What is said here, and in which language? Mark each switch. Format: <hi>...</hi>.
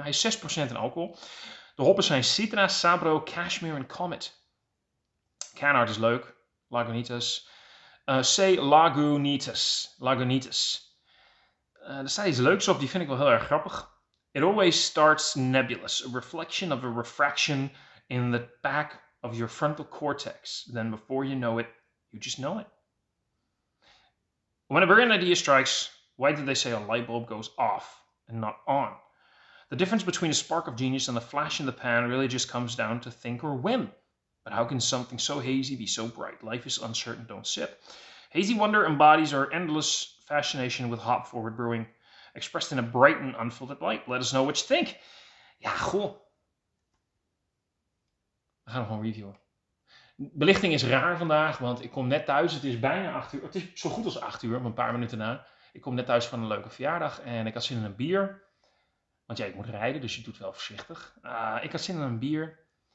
<nl>Hij is 6% in alcohol. De hoppen zijn Citra, Sabro, Cashmere en Comet. Canard is leuk. Lagunitas. Say Lagunitas. Lagunitas. Er staat iets leuks op, die vind ik wel heel erg grappig.</nl> <en>It always starts nebulous. A reflection of a refraction in the back of your frontal cortex. Then before you know it, you just know it. When a brilliant idea strikes, why did they say a light bulb goes off and not on? The difference between a spark of genius and the flash in the pan really just comes down to think or whim. But how can something so hazy be so bright? Life is uncertain, don't sip. Hazy Wonder embodies our endless fascination with hop-forward brewing, expressed in a bright and unfiltered light. Let us know what you think.</en> <nl>Ja, goh. We gaan gewoon reviewen. Belichting is raar vandaag, want ik kom net thuis. Het is bijna 8 uur. Het is zo goed als 8 uur, maar een paar minuten na. Ik kom net thuis van een leuke verjaardag en ik had zin in een bier. Want ja, ik moet rijden, dus je doet wel voorzichtig. Ik had zin in een bier.</nl>